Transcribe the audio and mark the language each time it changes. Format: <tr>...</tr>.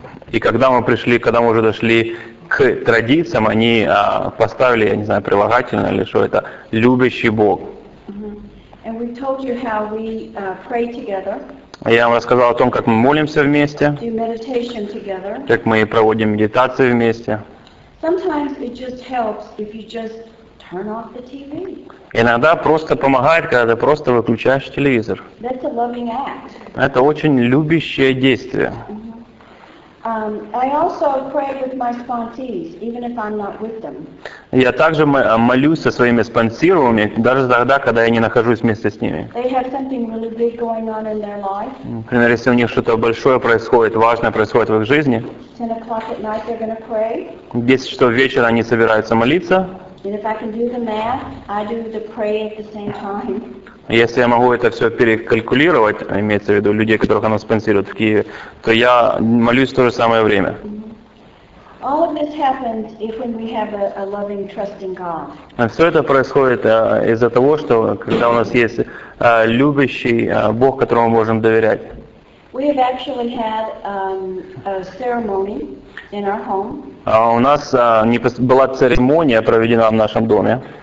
<ru>И когда мы пришли, когда мы уже дошли к традициям, они поставили, я не знаю, прилагательное или что это, любящий Бог.</ru> <en>And we told you how we pray together.</en> <ru>Я вам рассказал о том, как мы молимся вместе,</ru> <en>do meditation together.</en> <ru>Как мы проводим медитацию вместе.</ru> <en>Sometimes it just helps if you just turn off the TV.</en> <ru>Иногда просто помогает, когда ты просто выключаешь телевизор.</ru> <en>That's a loving act.</en> <ru>Это очень любящее действие.</ru> <en>I also pray with my sponsees, even if I'm not with them.</en> <ru>Я также молюсь со своими спонсорами, даже тогда, когда я не нахожусь вместе с ними.</ru> <en>They have something really big going on in their life.</en> <ru>Например, если у них что-то большое происходит, важное происходит в их жизни.</ru> <en>10 o'clock at night they're going to pray.</en> <ru>10 часов вечера они собираются молиться.</ru> <en>And if I can do the math, I do the pray at the same time.</en> <ru>Если я могу это все перекалькулировать, имеется в виду людей, которых она спонсирует в Киеве, то я молюсь в то же самое время.</ru> <en>All of this happens if when we have a loving, trusting God.</en> <ru>Все это происходит из-за того, что когда у нас есть любящий Бог, которому мы можем доверять.</ru> <en>We have actually had a ceremony in our home.</en> <ru>У нас была церемония проведена в нашем доме.</ru>